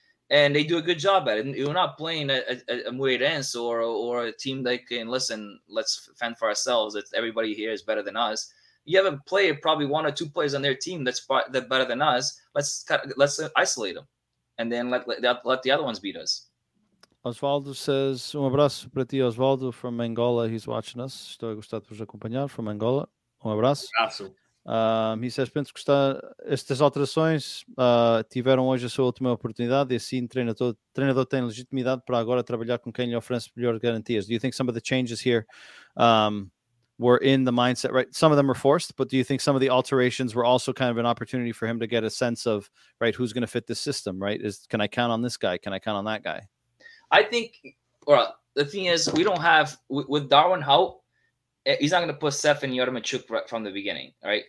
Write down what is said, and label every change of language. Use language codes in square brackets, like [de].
[en] And they do a good job at it. And you're not playing a Moreirense or a team that can listen. Let's fend for ourselves. It's everybody here is better than us. You have a player, probably one or two players on their team that's better than us. Let's isolate them, and then let the other ones beat us. Osvaldo says, [pt] um abraço para ti, [en] Osvaldo, from Angola. He's watching us. [pt] Estou a gostar de vos acompanhar, [en] from Angola. [pt] Um abraço. [en] He says, [pt] penso que estas alterações tiveram hoje a sua última oportunidade e assim treinador tem legitimidade para agora trabalhar com quem lhe oferece melhores garantias. [en] Do you think some of the changes here were in the mindset, right? Some of them were forced, but do you think some of the alterations were also kind of an opportunity for him to get a sense of, right, who's going to fit this system, right? Can I count on this guy? Can I count on that guy? I think, the thing is, we don't have with Darwin Hout, he's not going to put Seth and Yarmolenko from the beginning, right?